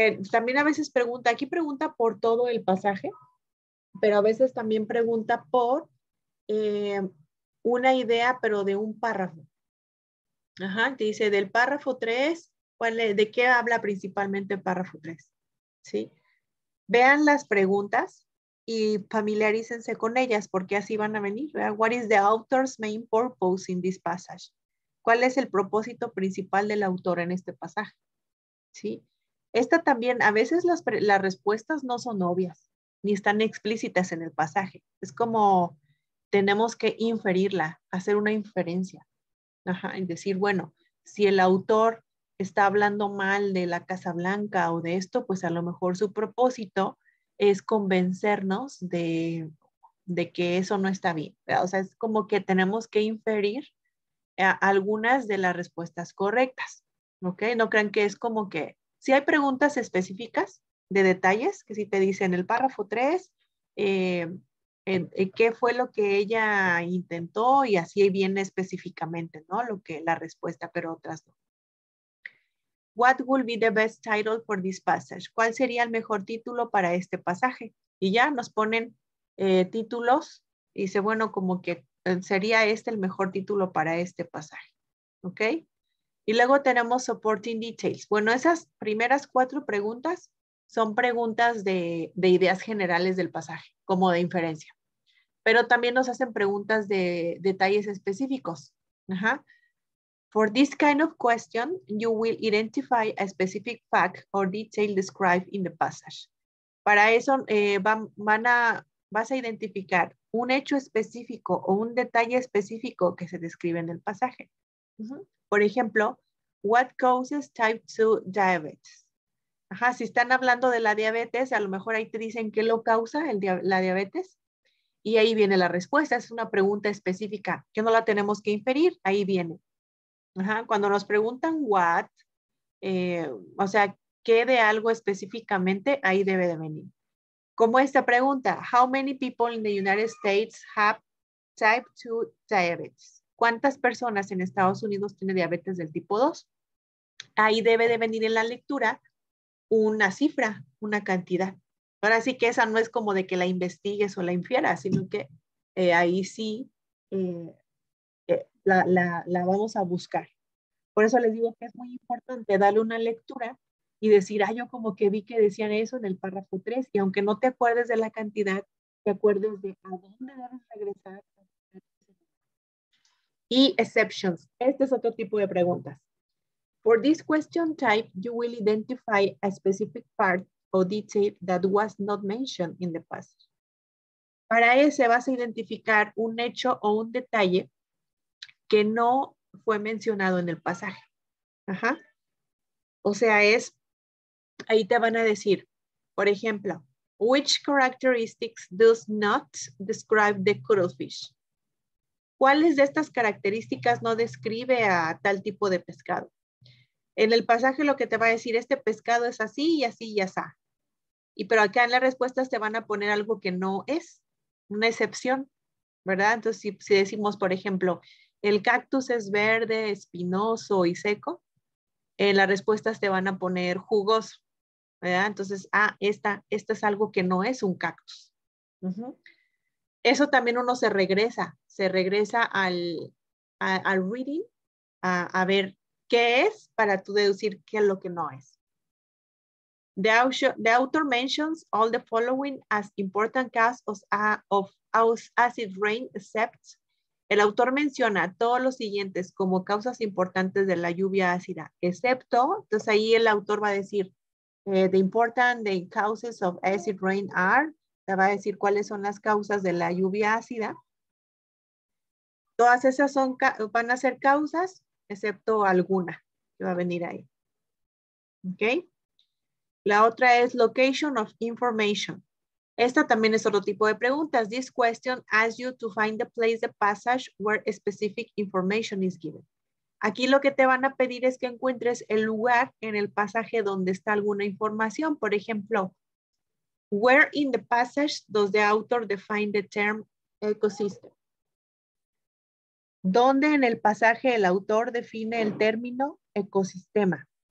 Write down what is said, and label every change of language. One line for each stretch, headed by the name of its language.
Spanish: También a veces pregunta, aquí pregunta por todo el pasaje, pero a veces también pregunta por una idea, pero de un párrafo. Ajá, te dice, del párrafo 3, ¿de qué habla principalmente el párrafo 3? ¿Sí? Vean las preguntas y familiarícense con ellas, porque así van a venir. ¿Verdad?
English: What is the author's main purpose in this passage?
Spanish: ¿Cuál es el propósito principal del autor en este pasaje? ¿Sí? Esta también, a veces las respuestas no son obvias ni están explícitas en el pasaje. Es como tenemos que inferirla, hacer una inferencia. Ajá, y decir, bueno, si el autor está hablando mal de la Casa Blanca o de esto, pues a lo mejor su propósito es convencernos de que eso no está bien. O sea, es como que tenemos que inferir algunas de las respuestas correctas. ¿Ok? No crean que es como que, si hay preguntas específicas de detalles, que si te dicen el párrafo 3, qué fue lo que ella intentó y así viene específicamente, ¿no? Lo que la respuesta, pero otras no.
English: What would be the best title for this passage?
Spanish: ¿Cuál sería el mejor título para este pasaje? Y ya nos ponen títulos y dice, bueno, como que sería este el mejor título para este pasaje. ¿Ok? Y luego tenemos supporting details. Bueno, esas primeras cuatro preguntas son preguntas de ideas generales del pasaje, como de inferencia. Pero también nos hacen preguntas de detalles específicos. Ajá.
English: For this kind of question, you will identify a specific fact or detail described in the passage.
Spanish: Para eso, vas a identificar un hecho específico o un detalle específico que se describe en el pasaje. Por ejemplo,
English: what causes type 2 diabetes?
Spanish: Ajá, si están hablando de la diabetes, a lo mejor ahí te dicen qué lo causa la diabetes. Y ahí viene la respuesta. Es una pregunta específica que no la tenemos que inferir. Ahí viene. Ajá, cuando nos preguntan what, o sea, qué de algo específicamente, ahí debe de venir. Como esta pregunta,
English: how many people in the United States have type 2 diabetes?
Spanish: ¿Cuántas personas en Estados Unidos tienen diabetes del tipo 2? Ahí debe de venir en la lectura una cifra, una cantidad. Ahora sí que esa no es como de que la investigues o la infieras, sino que ahí sí la vamos a buscar. Por eso les digo que es muy importante darle una lectura. Y decir, ah, yo como que vi que decían eso en el párrafo 3, y aunque no te acuerdes de la cantidad, te acuerdes de a dónde debes regresar. Y exceptions. Este es otro tipo de preguntas.
English: For this question type, you will identify a specific part or detail that was not mentioned in the passage.
Spanish: Para ese vas a identificar un hecho o un detalle que no fue mencionado en el pasaje. Ajá. O sea, es. Ahí te van a decir, por ejemplo,
English: which characteristics does not describe the cuttlefish?
Spanish: ¿Cuáles de estas características no describe a tal tipo de pescado? En el pasaje lo que te va a decir, este pescado es así y así y asá. Y pero acá en las respuestas te van a poner algo que no es, una excepción, ¿verdad? Entonces, si decimos, por ejemplo, ¿El cactus es verde, espinoso y seco? Las respuestas te van a poner jugoso, ¿verdad? Entonces, esta es algo que no es un cactus. Eso también uno se regresa al reading, a ver qué es para tú deducir qué es lo que no es.
English: The author mentions all the following as important causes of acid rain, except.
Spanish: El autor menciona todos los siguientes como causas importantes de la lluvia ácida, excepto. Entonces ahí el autor va a decir,
English: the important the causes of acid rain are.
Spanish: Te va a decir cuáles son las causas de la lluvia ácida. Todas esas van a ser causas, excepto alguna que va a venir ahí. ¿Ok? La otra es location of information. Esta también es otro tipo de preguntas.
English: This question asks you to find the place, the passage where specific information is given.
Spanish: Aquí lo que te van a pedir es que encuentres el lugar en el pasaje donde está alguna información. Por ejemplo,
English: where in the passage does the author define the term ecosystem?
Spanish: ¿Dónde en el pasaje el autor define el término ecosistema?